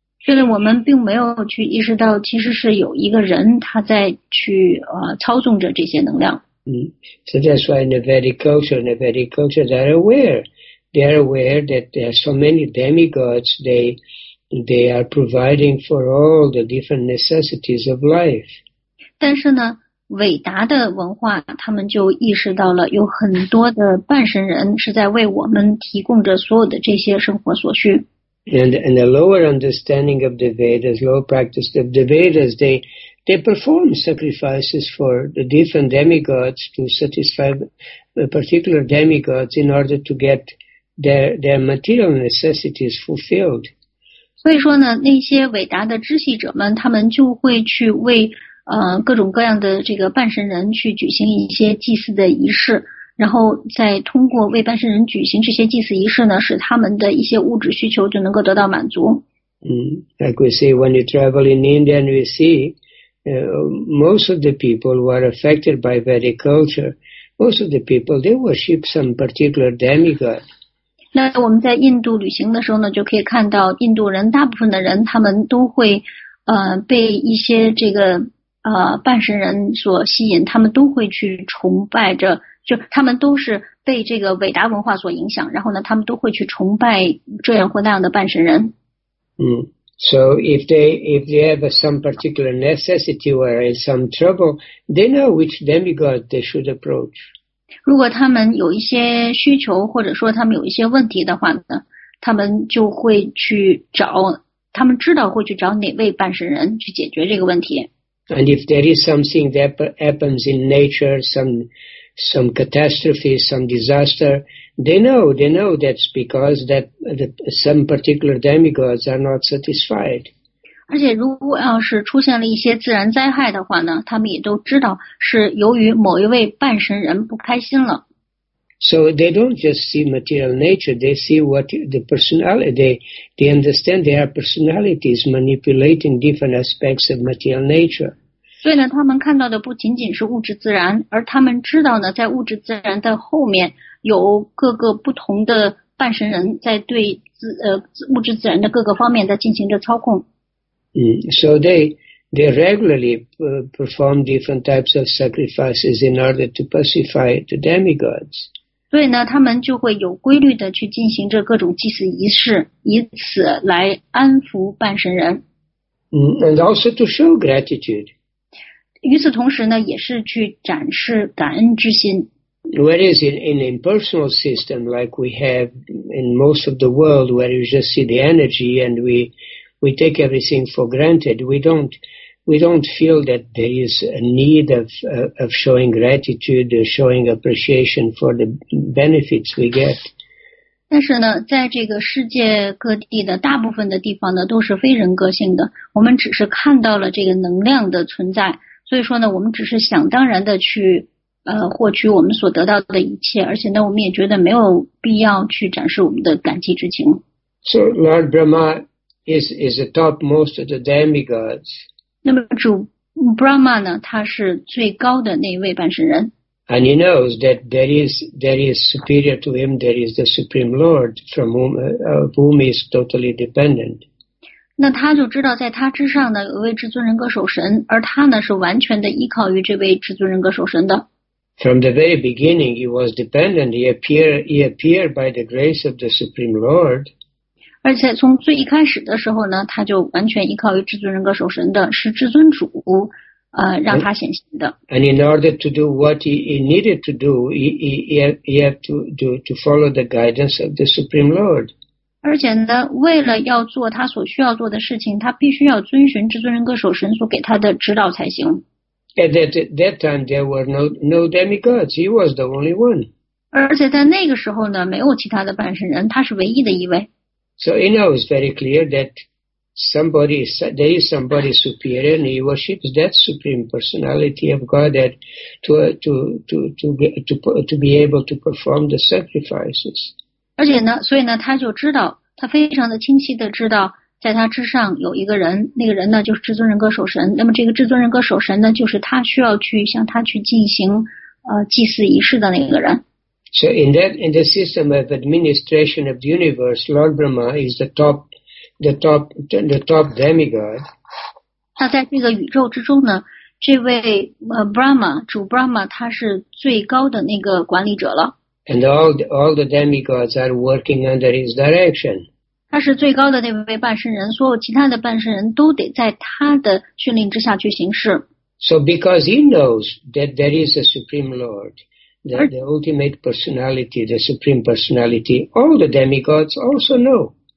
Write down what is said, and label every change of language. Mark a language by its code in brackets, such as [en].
[zh] 所以我们并没有去意识到其实是有一个人他在去操纵着这些能量。 [en] So that's why in the Vedic culture, they're aware. They're aware that there are so many demigods, they are providing for all the different necessities of life. [zh] 但是呢，伟达的文化，他们就意识到了有很多的半神人是在为我们提供着所有的这些生活所需。 [en] And the lower understanding of the Vedas, lower practice of the Vedas, they perform sacrifices for the different demigods to satisfy the particular demigods in order to get their material necessities fulfilled. [zh] 所以说呢，那些伟达的知系者们，他们就会去为各种各样的这个半神人去举行一些祭祀的仪式，然后再通过为半神人举行这些祭祀仪式呢，使他们的一些物质需求就能够得到满足。 [en] Like we say, when you travel in India, and we see most of the people who are affected by Vedic culture, most of the people they worship some particular demigod. [zh] 那我们在印度旅行的时候呢，就可以看到印度人大部分的人他们都会被一些这个半神人所吸引，他们都会去崇拜着，就他们都是被这个伟达文化所影响，然后呢，他们都会去崇拜这样或那样的半神人。 [en] So if they have some particular necessity or in some trouble, they know which demigod they should approach. [zh] 如果他们有一些需求或者说他们有一些问题的话呢，他们就会去找，他们知道会去找哪位半神人去解决这个问题。 [en] And if there is something that happens in nature, some catastrophe, some disaster, they know that's because that the, some particular demigods are not satisfied. [zh] 而且如果要是出现了一些自然灾害的话呢，他们也都知道是由于某一位半神人不开心了。 [en] So they don't just see material nature, they see what the personality, they understand their personalities manipulating different aspects of material nature. [zh] 所以呢，他们看到的不仅仅是物质自然，而他们知道呢，在物质自然的后面有各个不同的半神人在对物质自然的各个方面在进行着操控。 [en] So they regularly perform different types of sacrifices in order to pacify the demigods. [zh] 所以呢，他们就会有规律的去进行着各种祭祀仪式，以此来安抚半神人。 [en] And also to show gratitude. [zh] 与此同时呢，也是去展示感恩之心。 [en] Whereas in impersonal system like we have in most of the world, where you just see the energy and we take everything for granted, we don't feel that there is a need of showing gratitude, showing appreciation for the benefits we get. [zh] 但是呢，在这个世界各地的大部分的地方呢，都是非人格性的。我们只是看到了这个能量的存在，所以说呢，我们只是想当然的去获取我们所得到的一切，而且呢，我们也觉得没有必要去展示我们的感激之情。 [en] So Lord Brahma is the topmost of the demigods. [zh] 那么主 Brahma 呢，他是最高的那一位半神人。 [en] And he knows that there is superior to him, there is the Supreme Lord from whom he is totally dependent. [zh] 那他就知道在他之上呢有位至尊人格守神，而他呢是完全的依靠于这位至尊人格守神的。 [en] From the very beginning, he was dependent. He appeared by the grace of the Supreme Lord. [zh] 而且从最一开始的时候呢，他就完全依靠于至尊人格守神的，是至尊主。让他显现的。 [en] And in order to do what he needed to do, he had to follow the guidance of the Supreme Lord. [zh] 而且呢，为了要做他所需要做的事情，他必须要遵循至尊人格守神所给他的指导才行。 [en] At that time, there were no demigods. He was the only one. [zh] 而且在那个时候呢，没有其他的半神人，他是唯一的一位。 [en] So he knows very clear that. There is somebody superior, and he worships that supreme personality of Godhead to be able to perform the sacrifices. [zh] 而且呢，所以呢，他就知道，他非常的清晰的知道，在他之上有一个人，那个人呢就是至尊人格守神。那么这个至尊人格守神呢，就是他需要去向他去进行祭祀仪式的那个人。 [en] So in the system of administration of the universe, Lord Brahma is the top demigod. [zh] 那在这个宇宙之中呢，这位Brahma 主 Brahma 他是最高的那个管理者了。 [en] And all the demigods are working under his direction. [zh] 他是最高的那位半神人，所有其他的半神人都得在他的训令之下去行事。 [en] So because he knows that there is a supreme lord, the ultimate personality, the supreme personality, all the demigods also know.